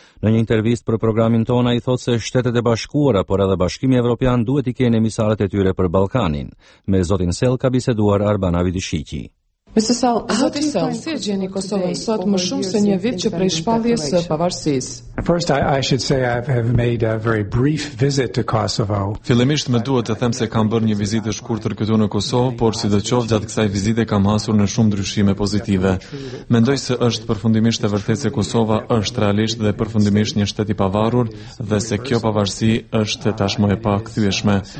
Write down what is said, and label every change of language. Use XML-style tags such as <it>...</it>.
<sq>Në një intervistë për programin tonë ai thotë se Shtetet e Bashkuara por edhe Bashkimi Evropian duhet i kenë emisarët e tyre për Ballkanin. Me zotin Sell ka biseduar Arban Avidishiqi.</sq> <en>Mr.</en> <sq>Sell, zoti Sell, si gjeni Kosovën sot më shumë se një vit që prej shpalljes së pavarësisë?</sq> <en>First I should say I have made a very brief visit to Kosovo.</en> <sq>Fillimisht më duhet të them se kam bërë një vizitë të shkurtër këtu në Kosovë, por sidoqoftë gjatë kësaj vizite kam hasur në shumë ndryshime pozitive. Mendoj se është përfundimisht e vërtetë se Kosova është realisht dhe përfundimisht një shtet i pavarur dhe se kjo pavarësi është tashmë e pakthyeshme.</sq>